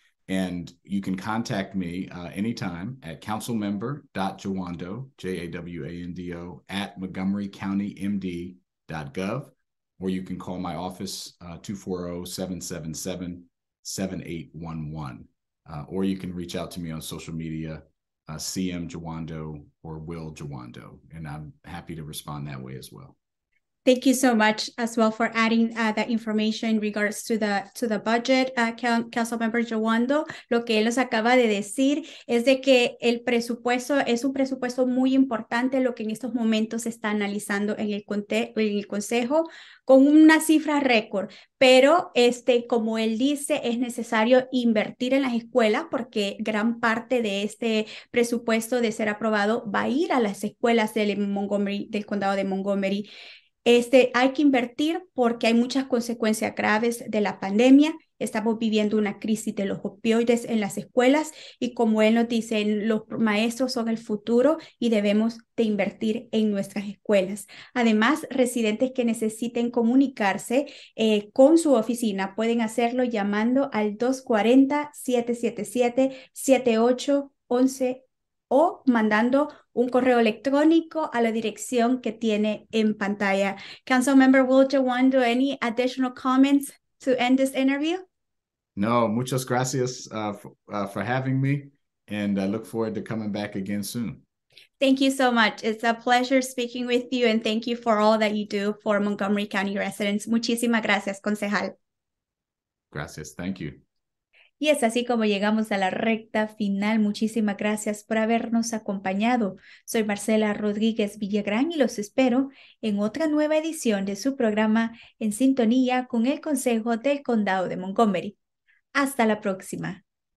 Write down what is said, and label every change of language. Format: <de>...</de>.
<en>And you can contact me anytime at councilmember.jawando, J-A-W-A-N-D-O, at montgomerycountymd.gov, or you can call my office 240-777-7811. Or you can reach out to me on social media, CM Jawando or Will Jawando, and I'm happy to respond that way as well. Thank you so much as well for adding that information in regards to the budget, Councilmember Jawando.</en> <es>Lo que él nos acaba de decir es de que el presupuesto es un presupuesto muy importante, lo que en estos momentos se está analizando en el Consejo, con una cifra récord. Pero, como él dice, es necesario invertir en las escuelas porque gran parte de este presupuesto de ser aprobado va a ir a las escuelas del condado de Montgomery. Hay que invertir porque hay muchas consecuencias graves de la pandemia. Estamos viviendo una crisis de los opioides en las escuelas y, como él nos dice, los maestros son el futuro y debemos de invertir en nuestras escuelas. Además, residentes que necesiten comunicarse con su oficina pueden hacerlo llamando al 240-777-7811 o mandando un correo electrónico a la dirección que tiene en pantalla.</es> <en>Councilmember Will Jawando, any additional comments to end this interview? No,</en> <es>muchas gracias</es> <en>for having me, and I look forward to coming back again soon. Thank you so much. It's a pleasure speaking with you, and thank you for all that you do for Montgomery County residents.</en> <es>Muchísimas gracias, concejal. Gracias,</es> <en>thank you.</en> <es>Y es así como llegamos a la recta final. Muchísimas gracias por habernos acompañado. Soy Marcela Rodríguez Villagrán y los espero en otra nueva edición de su programa En Sintonía con el Consejo del Condado de Montgomery. Hasta la próxima.</es>